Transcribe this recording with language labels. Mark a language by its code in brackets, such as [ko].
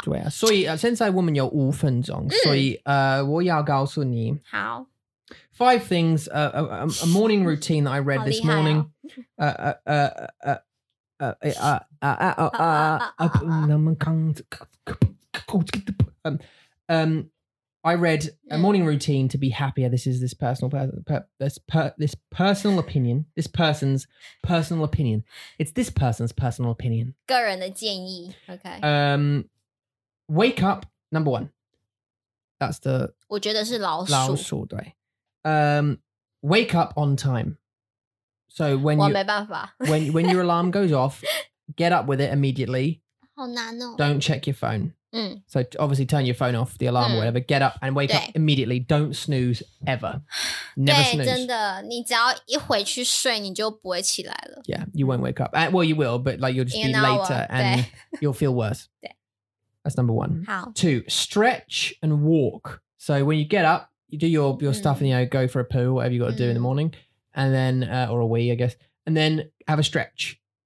[zh] 对啊所以现在我们有五分钟所以我要告诉你好 [en] five things a morning routine that I read this morning I read a morning routine to be happier. This is this person's personal opinion. [zh] 个人的建议 ，OK。 [en] wake up, number one. That's the... [zh] 我觉得是老鼠。老鼠,对。 [en] Wake up on time. So when you... [zh] 我没办法。 [en] when your alarm goes off, get up with it immediately. [zh] 好难哦。 [en] Don't check your phone. 嗯。 So obviously turn your phone off, the alarm or whatever. Get up and wake up immediately. Don't snooze ever. Never snooze. [zh] 对,真的。你只要一回去睡,你就不会起来了。 [en] Yeah, you won't wake up. Well, you will, but like you'll just be later and you'll feel worse. [zh] 对。 [en] That's number one. How? Two, stretch and walk. So when you get up, you do your stuff and, you know, go for a poo, whatever you got to do in the morning, and then, or a wee, I guess, and then have a stretch.